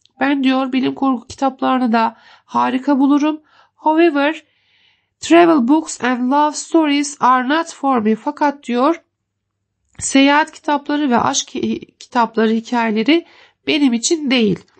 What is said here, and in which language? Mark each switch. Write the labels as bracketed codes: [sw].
[tr] Ben diyor bilim kurgu kitaplarını da harika bulurum. [en] However, travel books and love stories are not for me. [tr] Fakat diyor seyahat kitapları ve aşk kitapları, hikayeleri benim için değil.